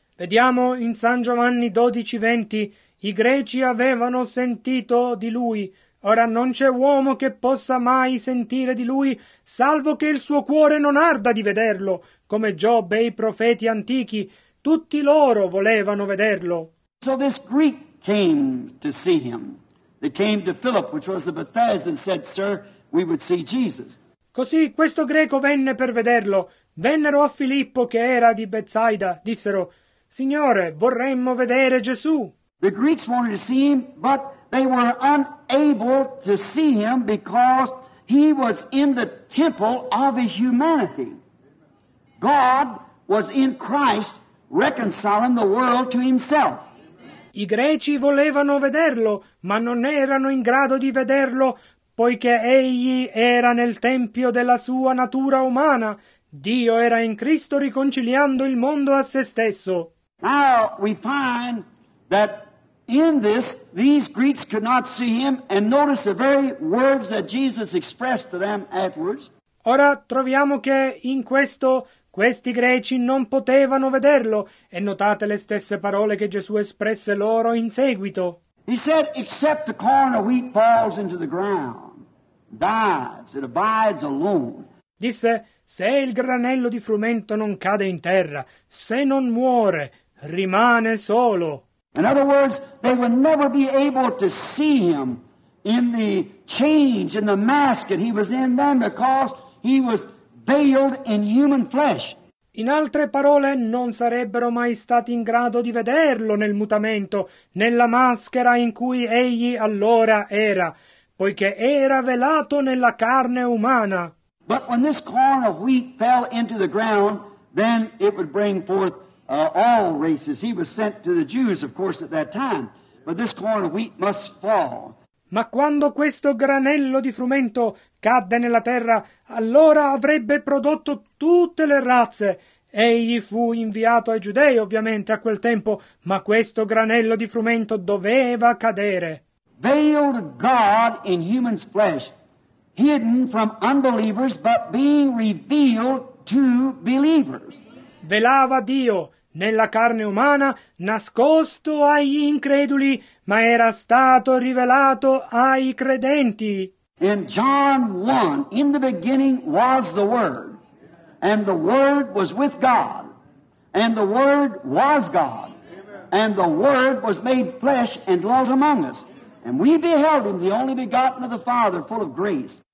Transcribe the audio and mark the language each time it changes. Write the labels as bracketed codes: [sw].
[it] Vediamo in San Giovanni 12:20, i greci avevano sentito di lui. Ora non c'è uomo che possa mai sentire di lui, salvo che il suo cuore non arda di vederlo, come Giobbe e i profeti antichi, tutti loro volevano vederlo. [en] So this Greek came to see him. They came to Philip, which was the Bethesda, and said, Sir, we would see Jesus. [it] Così questo greco venne per vederlo. Vennero a Filippo, che era di Bethsaida, dissero, Signore, vorremmo vedere Gesù. [en] The Greeks wanted to see him, but they were unable to see him because he was in the temple of his humanity. God was in Christ reconciling the world to himself. [it] I greci volevano vederlo, ma non erano in grado di vederlo, poiché egli era nel tempio della sua natura umana. Dio era in Cristo riconciliando il mondo a se stesso. [en] Now we find that in this, these Greeks could not see him, and notice the very words that Jesus expressed to them afterwards. [it] Ora troviamo che in questo, questi greci non potevano vederlo, e notate le stesse parole che Gesù espresse loro in seguito. [en] He said, except the corn of wheat falls into the ground, dies, it abides alone. [it] Disse, se il granello di frumento non cade in terra, se non muore, rimane solo. [en] In other words, they would never be able to see him in the change, in the mask that he was in then, because he was veiled in human flesh. [it] In altre parole, non sarebbero mai stati in grado di vederlo nel mutamento, nella maschera in cui egli allora era, poiché era velato nella carne umana. [en] But when this corn of wheat fell into the ground, then it would bring forth all races. He was sent to the Jews, of course, at that time. But this corn of wheat must fall. [it] Ma quando questo granello di frumento cadde nella terra, allora avrebbe prodotto tutte le razze. Egli fu inviato ai giudei, ovviamente, a quel tempo, ma questo granello di frumento doveva cadere. [en] Veiled God in human flesh, hidden from unbelievers, but being revealed to believers. [it] Velava Dio nella carne umana, nascosto agli increduli, ma era stato rivelato ai credenti. [en] In John 1, in the beginning was the Word, and the Word was with God, and the Word was God. And the Word was made flesh and dwelt among us. And we beheld Him, the only begotten of the Father, full of grace.